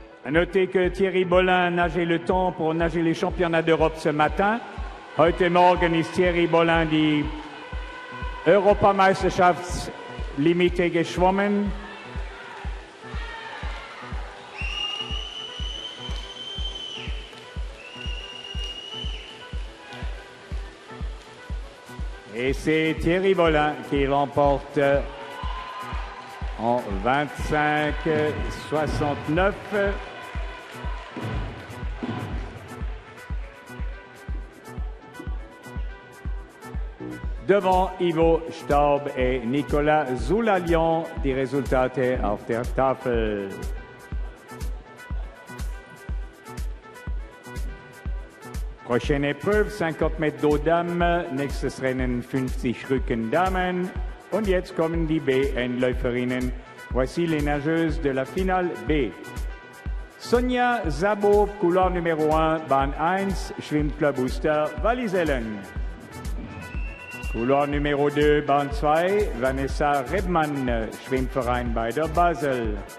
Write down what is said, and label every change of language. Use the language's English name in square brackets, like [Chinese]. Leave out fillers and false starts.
[French] Notez que Thierry Bollin a nagé le temps pour nager les championnats d'Europe ce matin. [German] Heute Morgen ist Thierry Bollin die Europameisterschaftslimite geschwommen. [French] Et c'est Thierry Bollin qui l'emporte en 25-69. Devant Ivo Staub et Nicolas Zulalion, [German] die Resultate auf der Tafel. [French] Prochaine épreuve, 50 mètres d'eau dames, [German] nächstes Rennen 50 Rücken Damen. Und jetzt kommen die B-Endläuferinnen. [French] Voici les nageuses de la finale B. Sonja Szabo, couleur numéro 1, Bahn 1, Schwimmclub Booster, Wallisellen. Couleur numéro 2, Bahn 2, Vanessa Rebmann, Schwimmverein Bader Basel.